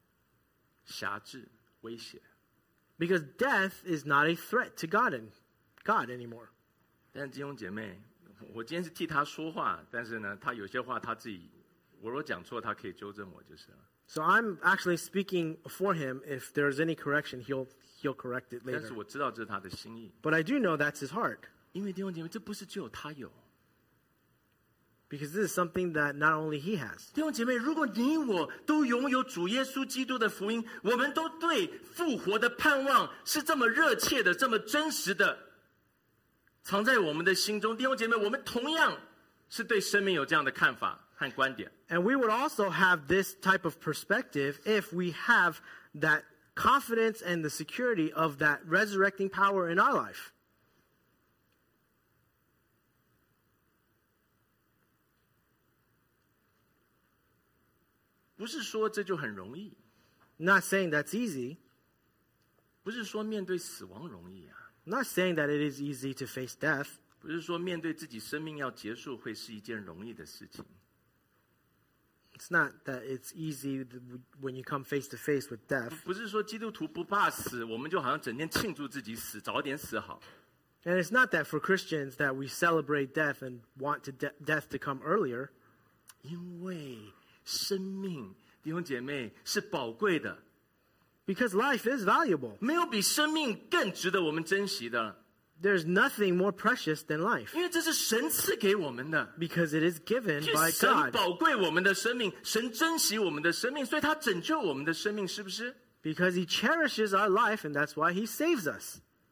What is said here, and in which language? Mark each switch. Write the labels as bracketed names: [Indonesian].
[Chinese] 因为死对他来讲已经没有任何的辖制威胁。 [English] Because death is not a threat to God anymore. [Chinese] 但弟兄姐妹， 我今天是替他说话,但是呢,他有些话他自己,我若讲错,他可以纠正我就是了。 [English] So I'm actually speaking for him. If there's any correction, he'll correct it later. [Chinese] 但是我知道这是他的心意。 [English] But I do know that's his heart. [Chinese] 因为弟兄姐妹,这不是只有他有。 [English] Because this is something that not only he has. [Chinese] 弟兄姐妹,如果你我都拥有主耶稣基督的福音,我们都对复活的盼望是这么热切的,这么真实的。藏在我们的心中,弟兄姐妹,我们同样是对生命有这样的看法和观点。 [English] And we would also have this type of perspective if we have that confidence and the security of that resurrecting power in our life. [Chinese] 不是说这就很容易。 [English] Not saying that's easy. [Chinese] 不是说面对死亡容易啊。 [English] Not saying that it is easy to face death. [Chinese] 不是说面对自己生命要结束会是一件容易的事情。 [English] It's not that it's easy when you come face to face with death. [Chinese] 不是说基督徒不怕死,我们就好像整天庆祝自己死,早点死好。 [English] And it's not that for Christians that we celebrate death and want to death to come earlier. [Chinese] 因为生命,弟兄姐妹,是宝贵的。 [English] Because life is valuable. [Chinese] 没有比生命更值得我们珍惜的。 [English] There's nothing more precious than life. [Chinese] 因为这是神赐给我们的。 [English] Because it is given by God. [Chinese] 神宝贵我们的生命,神珍惜我们的生命,所以他拯救我们的生命,是不是? [English] Because he cherishes our life and that's why he saves us.